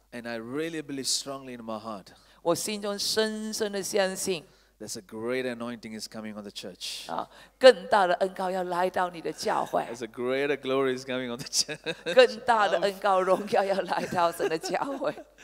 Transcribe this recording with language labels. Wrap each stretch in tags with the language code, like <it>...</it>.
<en>And I really believe strongly in my heart.</en> <zh>我心中深深的相信。</zh> <en>There's a great anointing is coming on the church.</en> <zh>更大的恩膏要来到你的教会。</zh> <en>There's a greater glory is coming on the church.</en> <zh>更大的恩膏荣耀要来到神的教会。</zh>